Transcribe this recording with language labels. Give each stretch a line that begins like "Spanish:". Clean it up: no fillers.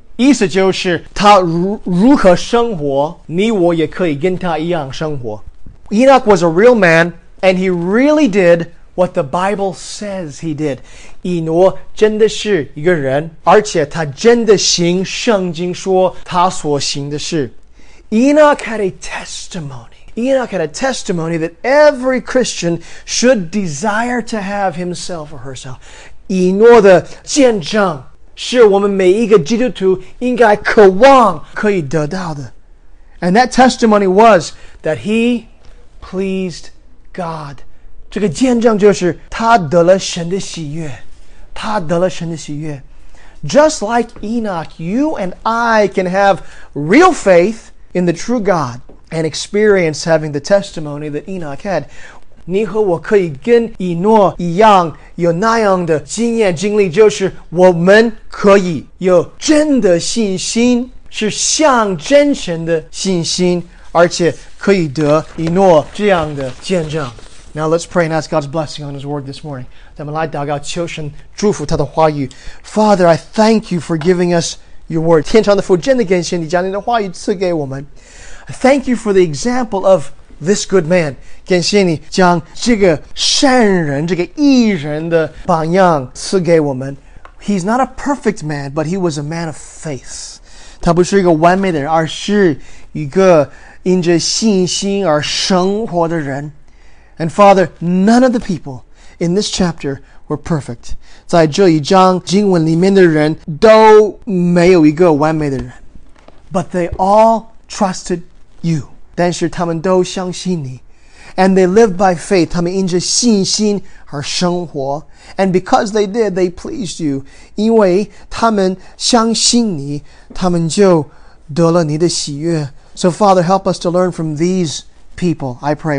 Chinese: 意思就是他如何生活你我也可以跟他一样生活。
English: Enoch was a real man, and he really did what the Bible says he did.
Chinese: 以诺真的是一个人而且他真的行圣经说他所行的事。
English: Enoch had a testimony. Enoch had a testimony that every Christian should desire to have himself or herself.
Chinese: 以诺的见证是我们每一个基督徒应该渴望可以得到的。
English: And that testimony was that he pleased God.
Chinese: 这个见证就是他得了神的喜悦。他得了神的喜悦。
English: Just like Enoch, you and I can have real faith in the true God. And experience having the testimony that Enoch had.
Chinese: 你和我可以跟以诺一样有那样的经验经历就是我们可以有真的信心是像真神的信心而且可以得以诺这样的见证。
English: Now let's pray and ask God's blessing on his word this morning.
Chinese: 咱们来祷告求神祝福他的话语。
English: Father, I thank you for giving us your word.
Chinese: 天上的父真的感谢你将你的话语赐给我们。
English: Thank you for the example of this good man.
Chinese: 感谢你将这个善人、这个义人的榜样赐给我们。
English: He's not a perfect man, but he was a man of faith.
Chinese: 他不是一个完美的人，而是一个因着信心而生活的人。
English: And Father, none of the people in this chapter were perfect.
Chinese: 在这一章经文里面的人都没有一个完美的人。
English: But they all trusted you.
Chinese: 但是他们都相信你。
English: And they lived by faith.
Chinese: 他们因着信心而生活。
English: And because they did, they pleased you.
Chinese: 因为他们相信你，他们就得了你的喜悦。
English: So Father, help us to learn from these people, I pray.